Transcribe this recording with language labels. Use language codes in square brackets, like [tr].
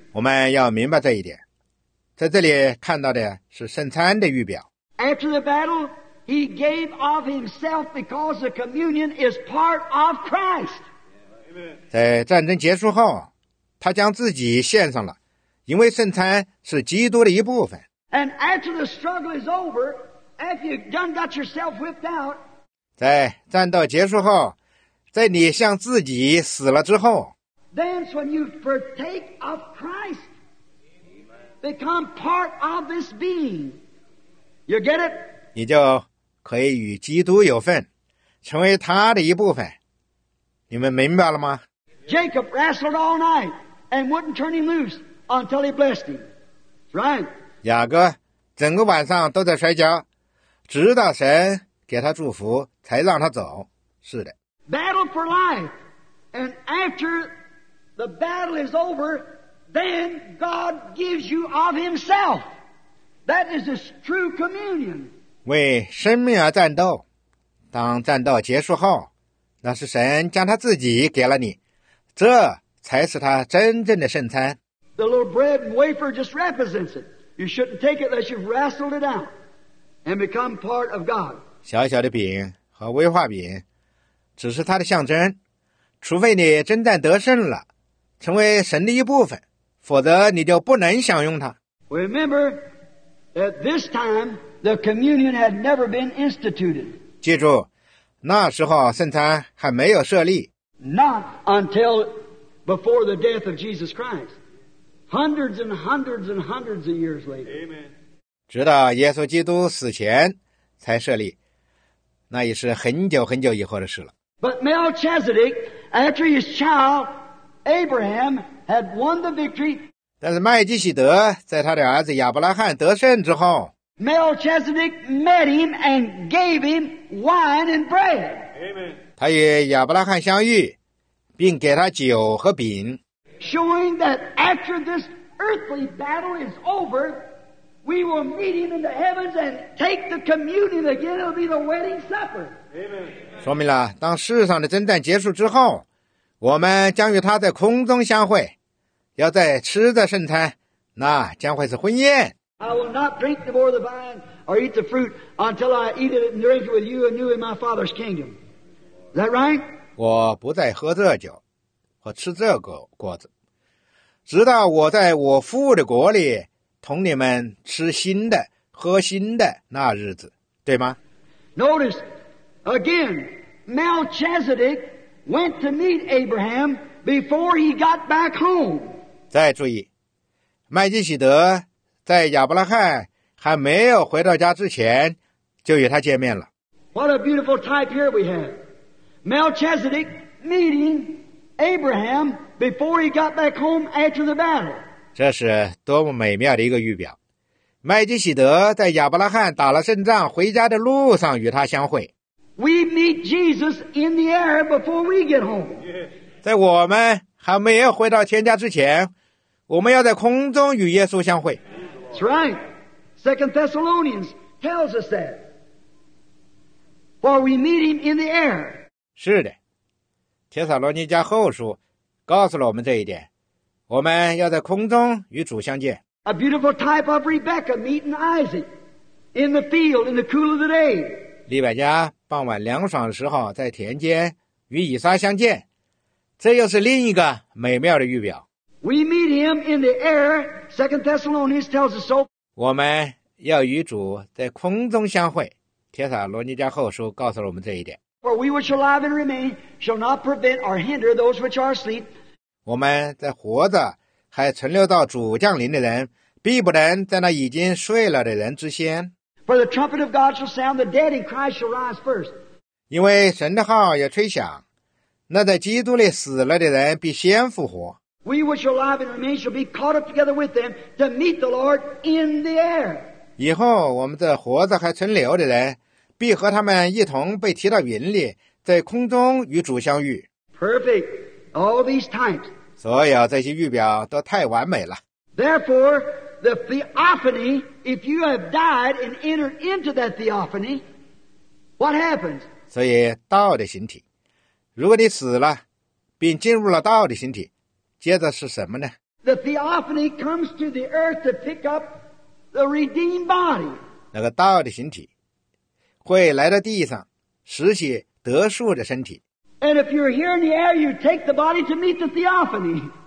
[zh] 我们要明白这一点，在这里看到的是圣餐的预表。 [en] After the battle, he gave of himself because the communion is part of Christ. [zh] 在战争结束后，他将自己献上了，因为圣餐是基督的一部分。 [en] And after the struggle is over, after you've done got yourself whipped out, [zh] 在战斗结束后，在你向自己死了之后， [en] that's when you partake of Christ, become part of this being. You get it? [zh] 你就可以与基督有份，成为他的一部分。你们明白了吗？ [en] Jacob wrestled all night and wouldn't turn him loose until he blessed him. Right? [zh] 雅各整个晚上都在摔跤，直到神给他祝福才让他走。是的。 [en] Battle for life. And after the battle is over, then God gives you of himself. That is his true communion. [zh] 为生命而战斗，当战斗结束后，那是神将他自己给了你，这才是他真正的圣餐。 [en] The little bread and wafer just represents it. You shouldn't take it unless you've wrestled it out and become part of God. [zh] 小小的饼和微化饼只是他的象征，除非你征战得胜了，成为神的一部分，否则你就不能享用它。 [en] Remember that this time the communion had never been instituted. [zh] 记住，那时候圣餐还没有设立。 [en] Not until before the death of Jesus Christ. Hundreds and hundreds and hundreds of years later. Amen. [zh] 直到耶稣基督死前才设立，那也是很久很久以后的事了。 [en] But Melchizedek, after his child Abraham had won the victory, [zh] 但是麦基洗德在他的儿子亚伯拉罕得胜之后， [en] Melchizedek met him and gave him wine and bread. Amen. [zh] 他与亚伯拉罕相遇，并给他酒和饼。 [en] Showing that after this earthly battle is over, we will meet him in the heavens and take the communion again. It'll be the wedding supper. Amen. [zh] 说明了当世上的征战结束之后，我们将与他在空中相会，要再吃的圣餐，那将会是婚宴。 [en] I will not drink the more of the vine or eat the fruit until I eat it and drink it with you anew in my Father's kingdom. Is that right? [zh] 我不再喝这酒或吃这个果子，直到我在我父的国里同你们吃新的喝新的那日子，对吗？ [en] Notice again, Melchizedek went to meet Abraham before he got back home. [zh] 再注意，麦基洗德在亚伯拉罕还没有回到家之前就与他见面了。 [en] What a beautiful type here we have. Melchizedek meeting Abraham before he got back home after the battle. [zh] 这是多么美妙的一个预表，麦基洗德在亚伯拉罕打了胜仗回家的路上与他相会。 [en] We meet Jesus in the air before we get home. [zh] 在我们还没有回到天家之前，我们要在空中与耶稣相会。 [en] That's right. Second Thessalonians tells us that. For we meet him in the air. [zh] 是的，帖撒罗尼迦后书告诉了我们这一点，我们要在空中与主相见。 [en] A beautiful type of Rebecca meeting Isaac in the field in the cool of the day. [zh] 利百加傍晚凉爽的时候在田间与以撒相见，这又是另一个美妙的预表。 [en] We meet him in the air, 2 Thessalonians tells us so. [zh] 我们要与主在空中相会，帖撒罗尼迦后书告诉了我们这一点。 [en] For we which are alive and remain shall not prevent or hinder those which are asleep. [zh] 我们在活着还存留到主降临的人，必不能在那已经睡了的人之先。 [en] For the trumpet of God shall sound, the dead in Christ shall rise first. [zh] 因为神的号要吹响，那在基督里死了的人必先复活。 [en] We which are alive and remain shall be caught up together with them to meet the Lord in the air. [zh] 以后我们这活着还存留的人必和他们一同被提到云里，在空中与主相遇。 [en] Perfect. All these times. [zh] 所有这些预表都太完美了。 [en] Therefore, the theophany, if you have died and entered into that theophany, what happens? [zh] 所以道的形体，如果你死了并进入了道的形体，接着是什么呢？ [en] The theophany comes to the earth to pick up the redeemed body. [zh] 那个道的形体会来到地上拾起得赎的身体。 [en] And if you're here in the air, you take the body to meet the theophany.